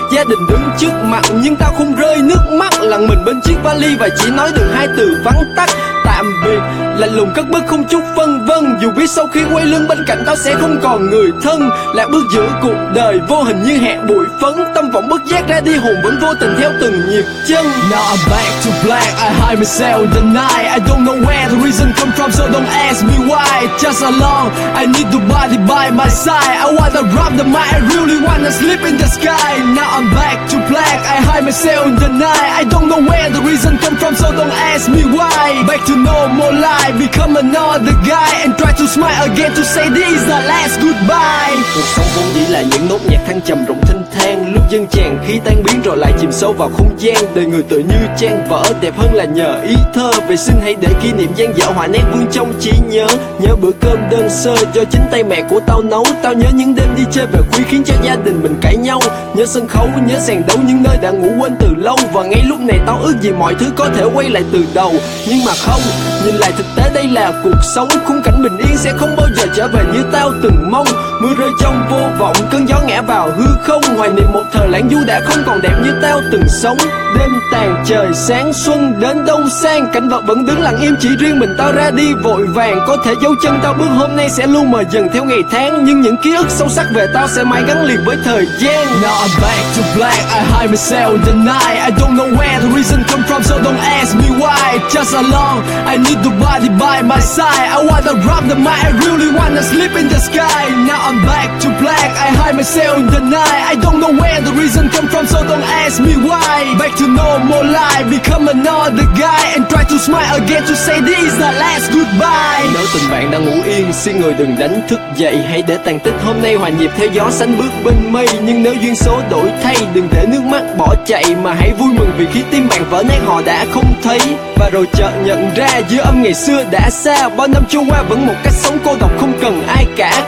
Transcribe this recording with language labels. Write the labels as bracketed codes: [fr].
[vi] Gia đình đứng trước mặt nhưng tao không rơi nước mắt, lặng mình bên chiếc vali và chỉ nói được hai từ vắng tắt: tạm biệt. Lạnh lùng cất bước không chút phân vân, dù biết sau khi quay lưng bên cạnh tao sẽ không còn người thân. Lại bước giữa cuộc đời vô hình như hẹn bụi phấn, tâm vọng bất giác ra đi, hồn vẫn vô tình theo từng nhịp chân. [en] Now I'm back to black, I hide myself the night. I don't know where the reason come from, so don't ask me why. Just along, I need the body by my side. I wanna rob the mic, I really wanna sleep in the sky. Now I'm back to black, I hide myself the night. I don't know where the reason come from, so don't ask me why. Back to no more lies, I become another guy and try to smile again to say this is the last goodbye. [vi] Cuộc sống vốn chỉ là những nốt nhạc thăng trầm rộng thênh thang, lúc dâng tràn khi tan biến rồi lại chìm sâu vào không gian. Đời người tự như trang vỡ, đẹp hơn là nhờ ý thơ. Vậy xin hãy để kỷ niệm gian dở hòa nét vương trong trí nhớ. Nhớ bữa cơm đơn sơ do chính tay mẹ của tao nấu. Tao nhớ những đêm đi chơi về khuya khiến cho gia đình mình cãi nhau. Nhớ sân khấu, nhớ sàn đấu, những nơi đã ngủ quên từ lâu. Và ngay lúc này tao ước gì mọi thứ có thể quay lại từ đầu. Nhưng mà không, nhìn lại thực tế đây là cuộc sống. Khung cảnh bình yên sẽ không bao giờ trở về như tao từng mong. Mưa rơi trong vô vọng, cơn gió ngã vào hư không. Hoài niệm một thời lãng du đã không còn đẹp như tao từng sống. Đêm tàn trời sáng, xuân đến đông sang, cảnh vật vẫn đứng lặng im, chỉ riêng mình tao ra đi vội vàng. Có thể dấu chân tao bước hôm nay sẽ luôn mờ dần theo ngày tháng, nhưng những ký ức sâu sắc về tao sẽ mãi gắn liền với thời gian. [en] Now I'm back to black, I hide myself the night. I don't know where the reason come from, so don't ask me why. Just along, I need the body by my side. I wanna rob the mic, I really wanna sleep in the sky. Now I'm back to black, I hide myself in the night. I don't know where the reason come from, so don't ask me why. Back to no more lie, become another guy and try to smile again to say this is the last goodbye. [vi] Nếu tình bạn đang ngủ yên, xin người đừng đánh thức dậy. Hãy để tàn tích hôm nay hòa nhịp theo gió sánh bước bên mây. Nhưng nếu duyên số đổi thay, đừng để nước mắt bỏ chạy, mà hãy vui mừng vì khi tim bạn vỡ nát họ đã không thấy. Và rồi chợt nhận ra giữa âm ngày xưa đã xa, bao năm trôi qua vẫn một cách sống cô độc không cần ai cả.